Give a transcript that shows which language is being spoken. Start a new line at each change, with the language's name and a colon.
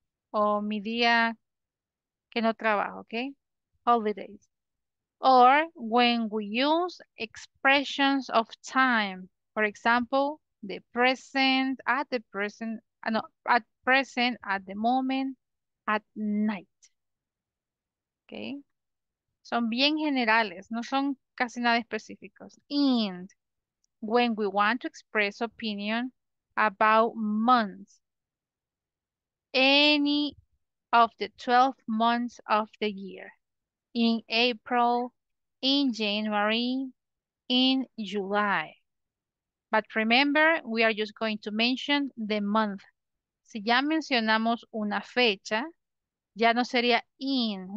Spanish: O mi día que no trabajo. Okay? Holidays.
English: Or when we use expressions of time. For example, the present, at the present, no, at present, at the moment, at night. Okay.
Spanish: Son bien generales, no son casi nada específicos.
English: And when we want to express opinion about months, any of the 12 months of the year, in April, in January, in July. But remember, we are just going to mention the month.
Spanish: Si ya mencionamos una fecha, ya no sería in.